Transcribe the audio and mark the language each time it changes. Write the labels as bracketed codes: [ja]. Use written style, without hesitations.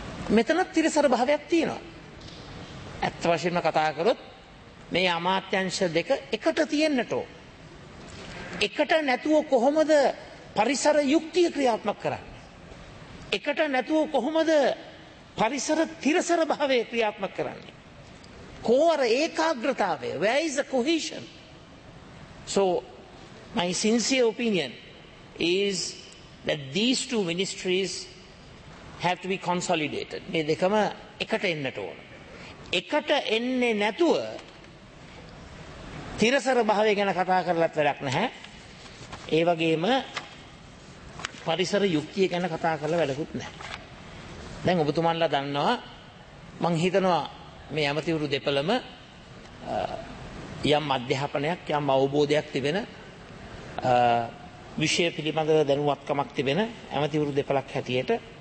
[si] මෙතන තිරසර භාවයක් තියෙනවා. ඇත්ත වශයෙන්ම කතා කරොත් මේ අමාත්‍යංශ දෙක එකට තියෙන්නට ඕ. එකට නැතුව කොහොමද පරිසර යුක්තිය ක්‍රියාත්මක කරන්නේ? එකට නැතුව කොහොමද පරිසර තිරසර භාවය ක්‍රියාත්මක කරන්නේ? කෝර ඒකාග්‍රතාවය, [en] where is the cohesion? So my sincere opinion is that these two ministries have to be consolidated. [si] මේ දෙකම එකට එන්නට ඕන. එකට එන්නේ නැතුව තිරසර භාවය ගැන කතා කරලත් වැඩක් නැහැ. ඒ වගේම පරිසර යුක්තිය ගැන කතා කරලා වැඩකුත් නැහැ. දැන් ඔබතුමන්ලා දන්නවා, මං හිතනවා මේ ඇමතිවරු දෙපළම යම් අධ්‍යාපනයක්, යම් අවබෝධයක් තිබෙන, විෂය පිළිබඳව දැනුවත්කමක් තිබෙන ඇමතිවරු දෙපළක් හැටියට.